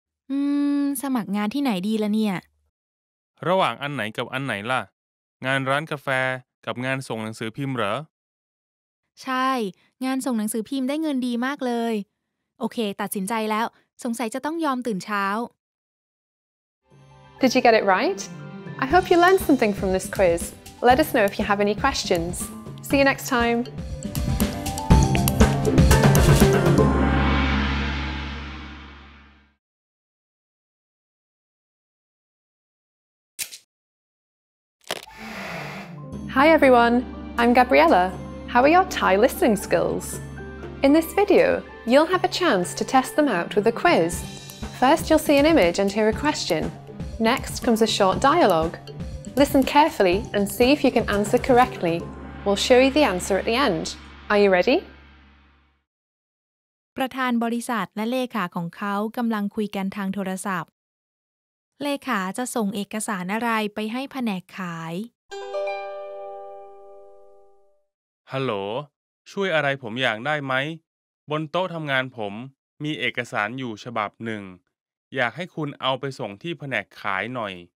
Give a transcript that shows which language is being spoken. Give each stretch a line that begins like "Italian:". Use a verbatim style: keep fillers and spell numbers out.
Thai: อืมสมัครงานที่ไหนดีล่ะเนี่ย ระหว่างอันไหนกับอันไหนล่ะงานร้านกาแฟกับงานส่งหนังสือพิมพ์เหรอ ใช่งานส่งหนังสือพิมพ์ได้เงินดีมากเลยโอเคตัดสินใจแล้วสงสัยจะต้องยอมตื่นเช้า
English: Did you get it right? I hope you learned something from this quiz. Let us know if you have any questions. See you next time. Hi everyone, I'm Gabriella. How are your Thai listening skills? In this video, you'll have a chance to test them out with a quiz. First, you'll see an image and hear a question. Next comes a short dialogue. Listen carefully and see if you can answer correctly. We'll show you the answer at the end. Are you ready?
Thai: ประธานบริษัทและเลขาของเขากำลังคุยกันทางโทรศัพท์ เลขาจะส่งเอกสารอะไรไปให้แผนกขาย ฮัลโหลช่วยอะไรผมอยากได้ไหมบนโต๊ะทำงานผมมีเอกสารอยู่ฉบับหนึ่งอยากให้คุณเอาไปส่งที่แผนกขายหน่อย